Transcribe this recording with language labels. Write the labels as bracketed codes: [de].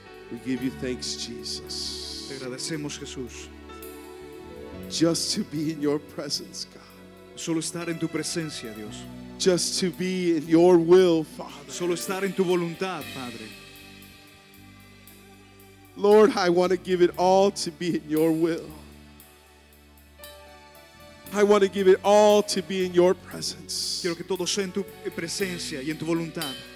[en] We give you thanks, Jesus. [es] Te agradecemos, Jesús. [en] Just to be in your presence, God. [es] Solo estar en tu presencia, Dios. [en] Just to be in your will, Father. [es] Solo estar en tu voluntad, Padre. [en] Lord, I want to give it all to be in your will. I want to give it all to be in your presence. [es] Quiero que todo sea en tu presencia y en tu voluntad.